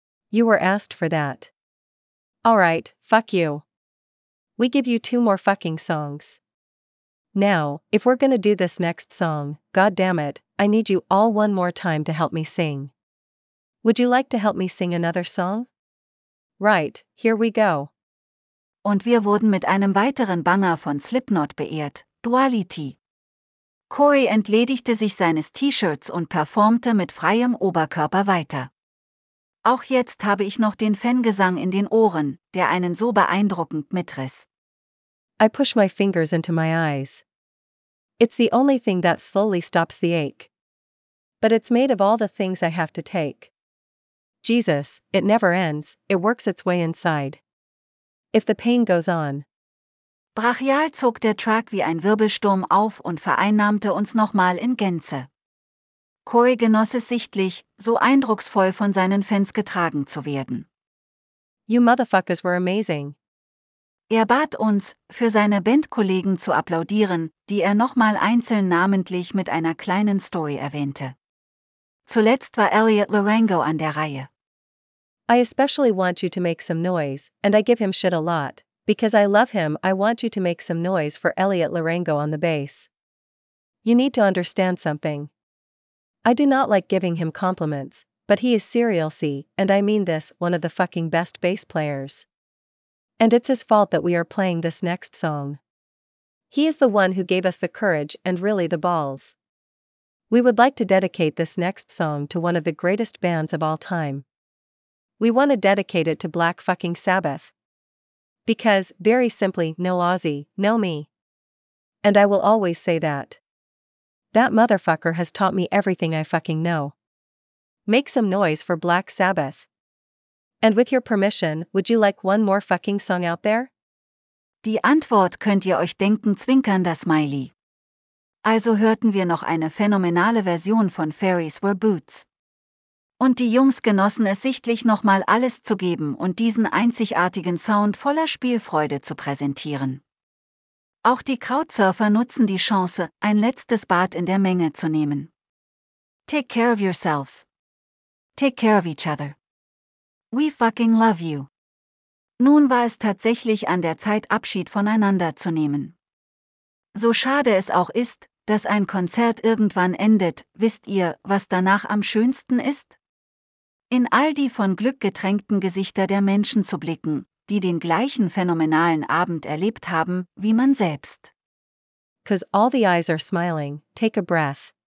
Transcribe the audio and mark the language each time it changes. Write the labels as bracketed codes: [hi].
[en] You were asked for that. All right, fuck you. We give you two more fucking songs. Now, if we're gonna do this next song, goddammit, I need you all one more time to help me sing. Would you like to help me sing another song? Right, here we go. [de] Und wir wurden mit einem weiteren Banger von Slipknot beehrt, Duality. Corey entledigte sich seines T-Shirts und performte mit freiem Oberkörper weiter. Auch jetzt habe ich noch den Fangesang in den Ohren, der einen so beeindruckend mitriss. [en] I push my fingers into my eyes. It's the only thing that slowly stops the ache. But it's made of all the things I have to take. Jesus, it never ends, it works its way inside. If the pain goes on. [de] Brachial zog der Truck wie ein Wirbelsturm auf und vereinnahmte uns nochmal in Gänze. Corey genoss es sichtlich, so eindrucksvoll von seinen Fans getragen zu werden. [en] You motherfuckers were amazing. [de] Er bat uns, für seine Bandkollegen zu applaudieren, die er nochmal einzeln namentlich mit einer kleinen Story erwähnte. Zuletzt war Elliot Lorango an der Reihe. [en] I especially want you to make some noise, and I give him shit a lot. Because I love him, I want you to make some noise for Elliot Lorango on the bass. You need to understand something. I do not like giving him compliments, but he is seriously, and I mean this, one of the fucking best bass players. And it's his fault that we are playing this next song. He is the one who gave us the courage and really the balls. We would like to dedicate this next song to one of the greatest bands of all time. We want to dedicate it to Black Fucking Sabbath. Because, very simply, no Ozzy, no me. And I will always say that. That motherfucker has taught me everything I fucking know. Make some noise for Black Sabbath. And with your permission, would you like one more fucking song out there? [de] Die Antwort könnt ihr euch denken, zwinkernder Smiley. Also hörten wir noch eine phänomenale Version von Fairies Wear Boots. Und die Jungs genossen es sichtlich nochmal alles zu geben und diesen einzigartigen Sound voller Spielfreude zu präsentieren. Auch die Crowdsurfer nutzen die Chance, ein letztes Bad in der Menge zu nehmen. [en] Take care of yourselves. Take care of each other. We fucking love you. [de] Nun war es tatsächlich an der Zeit, Abschied voneinander zu nehmen. So schade es auch ist, dass ein Konzert irgendwann endet, wisst ihr, was danach am schönsten ist? In all die von Glück getränkten Gesichter der Menschen zu blicken, die den gleichen phänomenalen Abend erlebt haben, wie man selbst. [en] 'Cause all the eyes are smiling, take a breath.